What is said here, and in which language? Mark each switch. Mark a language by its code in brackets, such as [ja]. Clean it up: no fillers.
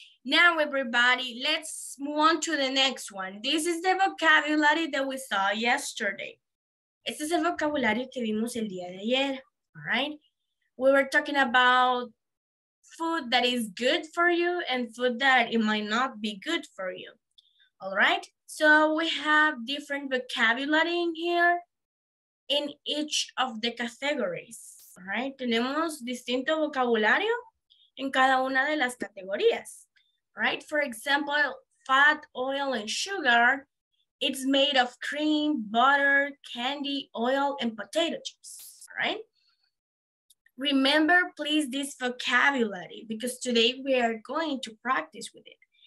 [en] Now, everybody, let's move on to the next one. This is the vocabulary that we saw yesterday. [es] Este es el vocabulario que vimos el día de ayer, [en] all right? We were talking about food that is good for you and food that it might not be good for you, all right? So we have different vocabulary in here in each of the categories, all right? [es] Tenemos distinto vocabulario en cada una de las categorías, right? [en] For example, fat, oil, and sugar. It's made of cream, butter, candy, oil, and potato chips, right? Remember, please, this vocabulary, because today we are going to practice with it.